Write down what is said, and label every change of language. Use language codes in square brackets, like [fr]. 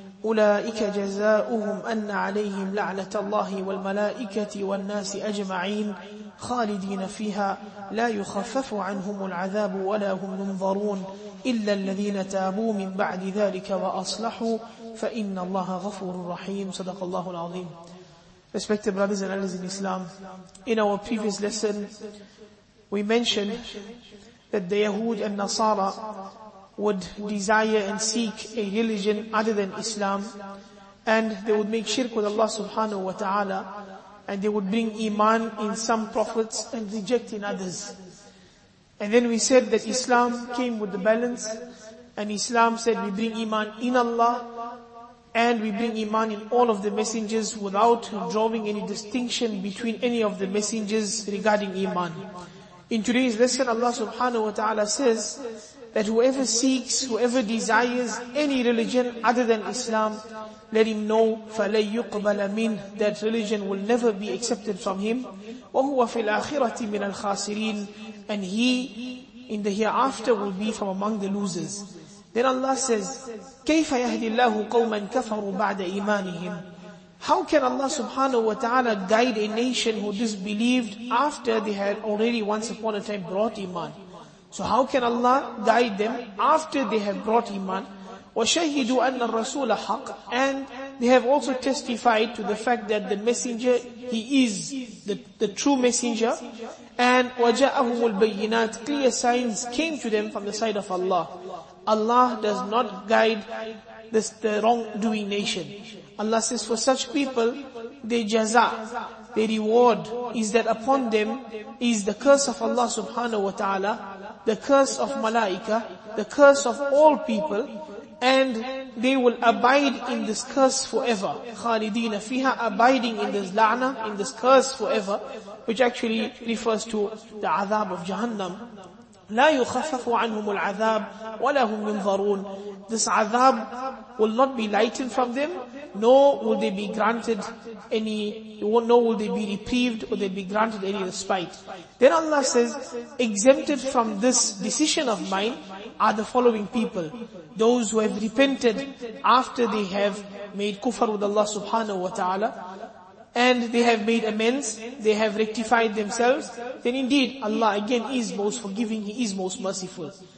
[ar] أولئك جزاؤهم أن عليهم لعنة الله والملائكة والناس أجمعين خالدين فيها لا يخفف عنهم العذاب ولا هم ينظرون. إلا الذين تابوا من بعد ذلك وأصلحوا فإن الله غفور رحيم. صدق الله العظيم. [en] Respected brothers and elders in Islam, in our previous lesson, we mentioned that the Yahud and Nasara would desire and seek a religion other than Islam, and they would make shirk with Allah subhanahu wa ta'ala, and they would bring iman in some prophets and reject in others. And then we said that Islam came with the balance, and Islam said we bring iman in Allah, and we bring iman in all of the messengers without drawing any distinction between any of the messengers regarding iman. In today's lesson, Allah subhanahu wa ta'ala says that whoever seeks, whoever desires any religion other than Islam, let him know, [ar] فَلَن يُقْبَلَ مِنْهُ, [en] that religion will never be accepted from him. [ar] وَهُوَ فِي الْآخِرَةِ مِنَ الْخَاسِرِينَ, [en] and he in the hereafter will be from among the losers. Then Allah says, [ar] كَيْفَ يَهْدِ اللَّهُ قَوْمًا كَفَرُوا بَعْدَ إِيمَانِهِمْ. [en] How can Allah subhanahu wa ta'ala guide a nation who disbelieved after they had already once upon a time brought iman? So how can Allah guide them after they have brought iman? [ar] وَشَهِدُوا أَنَّ الرَّسُولَ حَقٍ, [en] and they have also testified to the fact that the messenger, he is the true messenger. And [ar] وَجَاءَهُمُ الْبَيِّنَاتِ, [en] clear signs came to them from the side of Allah. Allah does not guide the wrongdoing nation. Allah says for such people, their jaza, their reward is that upon them is the curse of Allah subhanahu wa ta'ala, the curse of malaika, the curse of all people, and they will abide in this curse forever. [ar] Khalidina fiha, [en] abiding in this la'na, in this curse forever, which actually refers to the azab of Jahannam. [ar] لا يخفف عنهم العذاب ولا هم ينظرون. [en] This azab will not be lightened from them, nor will they be granted any, nor will they be reprieved or they be granted any respite. Then Allah says, exempted from this decision of mine are the following people: those who have repented after they have made kufr with Allah subhanahu wa ta'ala, and they have made amends, they have rectified themselves, then indeed Allah again is most forgiving, He is most merciful.